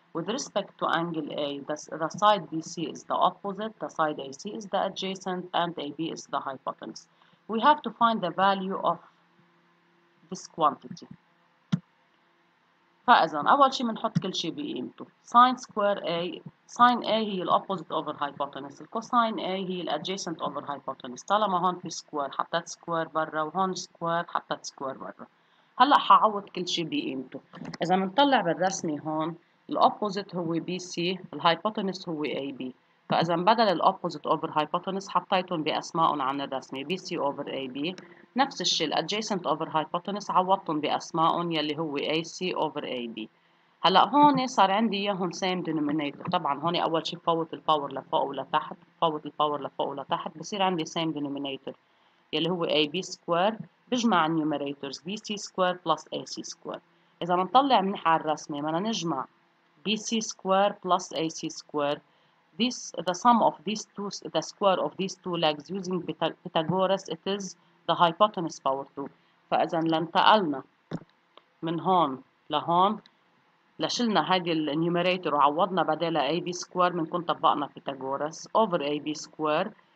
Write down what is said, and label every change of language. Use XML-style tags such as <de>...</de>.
<en>With respect to angle A, the side BC is the opposite, the side AC is the adjacent, and AB is the hypotenuse. We have to find the value of this quantity.</en> <ar>فإذن أول شيء بنحط كل شيء بقيمته.</ar> <en>Sine square A, sine A</en> <ar>هي ال</ar> <en>opposite over hypotenuse. Cosine A</en> <ar>هي ال</ar> <en>adjacent over hypotenuse.</en> <ar>طالما هون في square حطت square برا وهون square حطت square برا. هلا حعوض كل شيء بقيمته. إذا بنطلع بالرسمة هون ال opposite هو BC, ال hypotenuse هو AB. فإذا بدل ال opposite over hypotenuse حطيتهم بأسمائهم عن الرسمة</ar> <en>BC over AB.</en> <ar>نفس الشيء ال adjacent over hypotenuse عوضتهم بأسمائهم يلي هو</ar> <en>AC over AB.</en> <ar>هلا هون صار عندي اياهم</ar> <en>same denominator.</en> <ar>طبعا هون اول شيء فوت الباور لفوق ولتحت, فوت الباور لفوق ولتحت, بصير عندي same denominator يلي هو AB square. بجمع النيوميريتورز</ar> <en>BC square plus AC square.</en> <ar>إذا بنطلع منيح على الرسمة بدنا نجمع</ar> <en>BC square plus AC square. This the sum of these two, the square of these two legs using Pythagoras, it is the hypotenuse power 2.</en> <ar>فإذا لانتقلنا من هون لهون لشلنا هذه النيوميريتور وعوضنا بدالها AB square بنكون طبقنا Pythagoras</ar> <en>over AB square.</en>